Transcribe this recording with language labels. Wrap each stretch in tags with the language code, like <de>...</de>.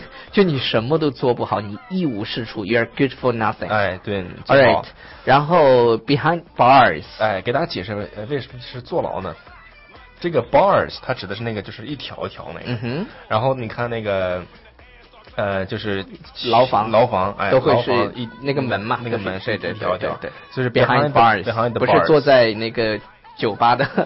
<zh>就你什么都做不好，你一无是处，</zh> <en>you're good for nothing。</en> <zh>哎，对，</zh> <en>alright。</en> <zh>然后</zh> <en>behind bars，</en> <zh>哎，给大家解释为什么是坐牢呢。这个 bars 它指的是那个就是一条一条那个，然后你看那个就是牢房、哎、都会是那个门嘛，那个门是一条一条，对，就是</zh> <en>behind bars，</en> <zh>不是坐在那个酒吧的</zh>